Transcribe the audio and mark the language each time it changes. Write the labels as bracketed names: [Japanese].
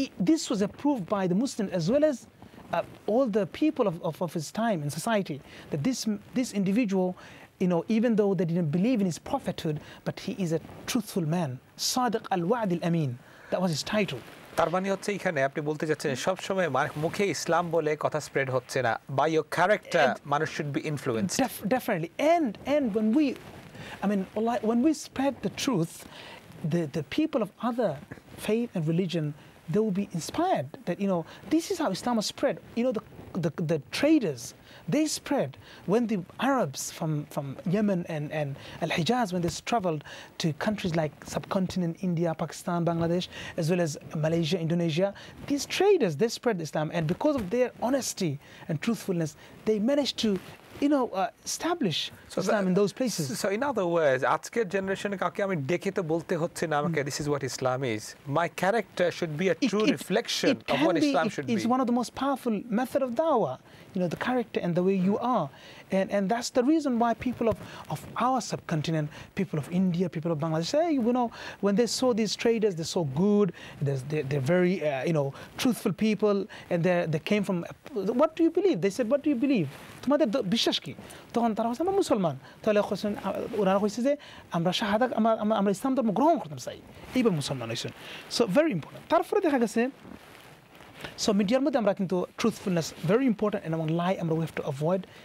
[English] this was approved by the Muslim as well as all the people of his time in society that this individual you know even though they didn't believe in his prophethood but he is a truthful man সাদিক আল ওয়াদ আল আমিন that was his title [Bangla] তার মানে হচ্ছে এখানে আপনি বলতে চাচ্ছেন সবসময় মুখে ইসলাম বলে কথা স্প্রেড হচ্ছে না [English] by your character [Bangla] মানুষ should be influenced [English] Definitely and when we I mean, when we spread the truth, the people of other faith and religion, they will be inspired that, you know, this is how Islam was spread. You know, the traders, they spread. When the Arabs from Yemen and Al-Hijaz, when they traveled to countries like subcontinent India, Pakistan, Bangladesh, as well as Malaysia, Indonesia, these traders, they spread Islam. And because of their honesty and truthfulness, they managed to establish Islam in those places. So in other words, [Bangla] আজকের generation কাকে আমি দেখে তো বলতে হচ্ছে না আমাকে [English] this is what Islam is. My character should be a true reflection of what Islam should be. It's one of the most powerful method of dawah. You know, the character and the way you are. And that's the reason why people of our subcontinent, people of India, people of Bangladesh, say, you know, when they saw these traders, they're so good, they're very, truthful people, and they came from, what do you believe? They said, what do you believe? [Bangla] তোমাদের বিশ্বাস কি তখন তারা হচ্ছে আমরা মুসলমান তাহলে হচ্ছেন ওরা হয়েছে যে আমরা শাহাদা আমরা ইসলাম ধর্ম গ্রহণ করতাম চাই এইবার মুসলমান হয়েছেন [English] so very important [Bangla] তারপরে দেখা গেছে সো মিডিয়ার মধ্যে আমরা কিন্তু ট্রুথফুলনেস ভেরি ইম্পর্টেন্ট এন্ড এবং লাই আমরা [English] we have to avoid